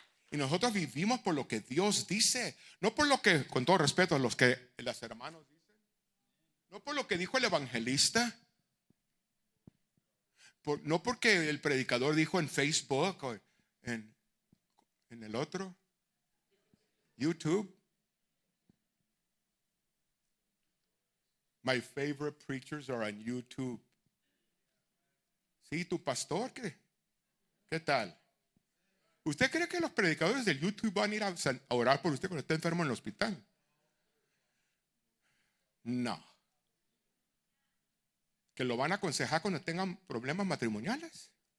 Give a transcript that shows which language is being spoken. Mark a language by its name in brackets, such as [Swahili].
[Spanish] Y nosotros vivimos por lo que Dios dice, no por lo que, con todo respeto a los que las hermanas dicen, no por lo que dijo el evangelista, no porque el predicador dijo en Facebook o en el otro, YouTube. [English] My favorite preachers are on YouTube. [Spanish] Sí, tu pastor, ¿qué tal? ¿Usted cree que los predicadores del YouTube van a ir a orar por usted cuando está enfermo en el hospital? No. ¿Que lo van a aconsejar cuando tengan problemas matrimoniales?